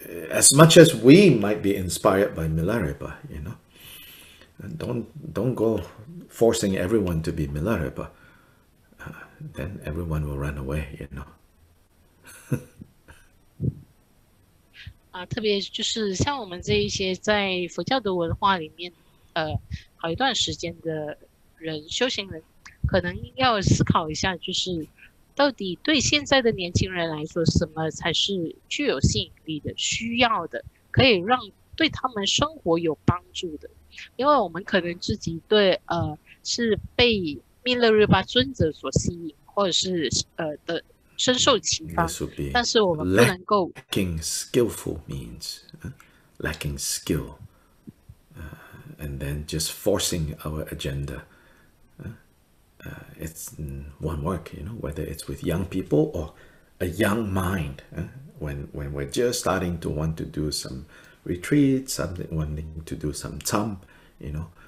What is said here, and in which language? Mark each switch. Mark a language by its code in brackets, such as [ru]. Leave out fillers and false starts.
[en] As much as we might be inspired by Milarepa, you know, and don't go forcing everyone to be Milarepa. Then everyone will run away, you know. [zh] 啊，特别就是像我们这一些在佛教的文化里面，好一段时间的人，修行人，可能要思考一下，就是到底对现在的年轻人来说，什么才是具有吸引力的、需要的，可以让对他们生活有帮助的？因为我们可能自己对是被密勒日巴尊者所吸引，或者是的深受启发，但是我们不能够 [en] lacking skillful means, lacking skill, and then just forcing our agenda. It's one work, you know, whether it's with young people or a young mind. When we're just starting to want to do some retreat, something wanting to do some tham, you know.